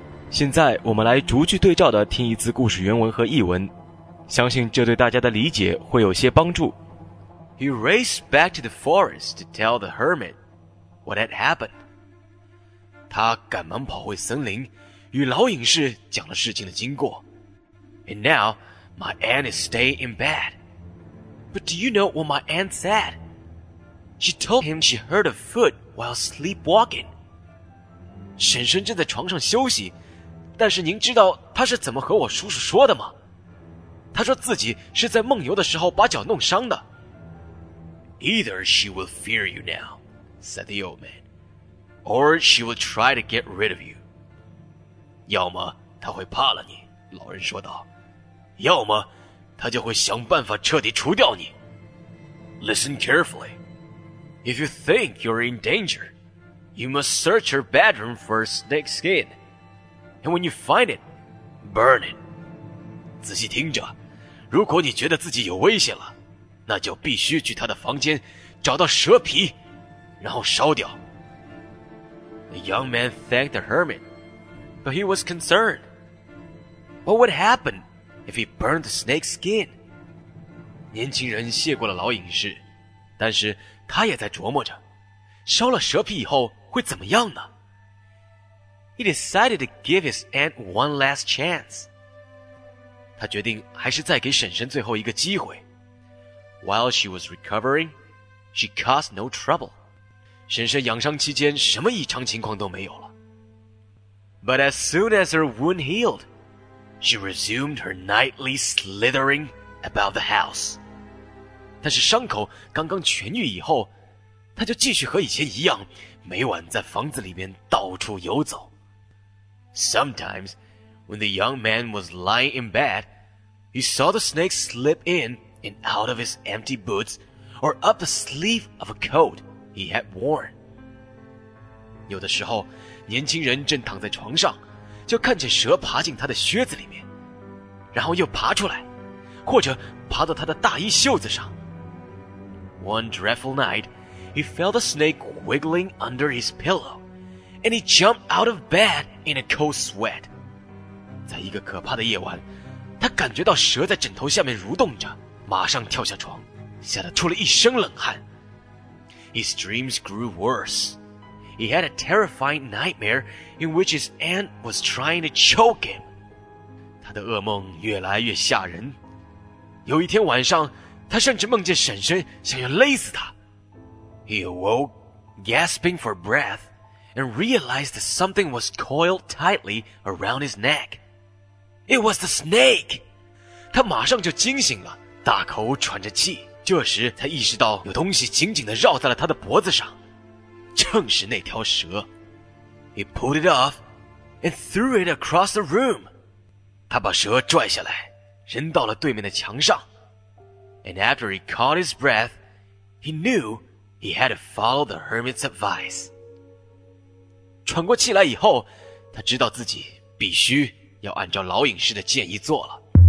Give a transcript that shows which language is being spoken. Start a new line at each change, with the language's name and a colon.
Chinese: 现在我们来逐句对照的听一次故事原文和译文，相信这对大家的理解会有些帮助。
English: He raced back to the forest to tell the hermit what had happened.
Chinese: 他赶忙跑回森林，与老隐士讲了事情的经过。
English: And now, my aunt is staying in bed. But do you know what my aunt said? She told him she heard a foot while sleepwalking.
Chinese: 婶婶正在床上休息，但是您知道她是怎么和我叔叔说的吗？她说自己是在梦游的时候把脚弄伤的。
English: Either she will fear you now, said the old man, or she will try to get rid of you.
Chinese: 要么她会怕了你，老人说道，要么她就会想办法彻底除掉你。
English: Listen carefully. If you think you're in danger, you must search her bedroom for a snake skin. And when you find it, burn it.
Chinese: 仔细听着，如果你觉得自己有危险了，那就必须去他的房间找到蛇皮然后烧掉。
English: The young man thanked the hermit, but he was concerned. What would happen if he burned the snake skin?
Chinese: 年轻人谢过了老隐士，但是他也在琢磨着烧了蛇皮以后会怎么样呢。
English: He decided to give his aunt one last chance.
Chinese: 他决定还是再给婶婶最后一个机会。
English: While she was recovering, she caused no trouble.
Chinese: 婶婶养伤期间什么异常情况都没有了。
English: But as soon as her wound healed, she resumed her nightly slithering about the house.
Chinese: 但是伤口刚刚痊愈以后，她就继续和以前一样，每晚在房子里面到处游走。
English: Sometimes, when the young man was lying in bed, he saw the snake slip inand out of his empty boots or up the sleeve of a coat he had worn.
Chinese: 有的时候年轻人正躺在床上，就看见蛇爬进他的靴子里面，然后又爬出来，或者爬到他的大衣袖子上。
English: One dreadful night, he felt a snake wiggling under his pillow, and he jumped out of bed in a cold sweat.
Chinese: 在一个可怕的夜晚，他感觉到蛇在枕头下面蠕动着，马上跳下床，吓得出了一身冷汗。
English: His dreams grew worse. He had a terrifying nightmare in which his aunt was trying to choke him.
Chinese: 他的噩梦越来越吓人。有一天晚上，他甚至梦见婶婶想要勒死他。
English: He awoke, gasping for breath, and realized that something was coiled tightly around his neck. It was the snake!
Chinese: 他马上就惊醒了。大口喘着气，这时才意识到有东西紧紧地绕在了他的脖子上，正是那条蛇。
English: He pulled it off and threw it across the room.
Chinese: 他把蛇拽下来，扔到了对面的墙上。
English: And after he caught his breath, he knew he had to follow the hermit's advice.
Chinese: 喘过气来以后，他知道自己必须要按照老隐士的建议做了。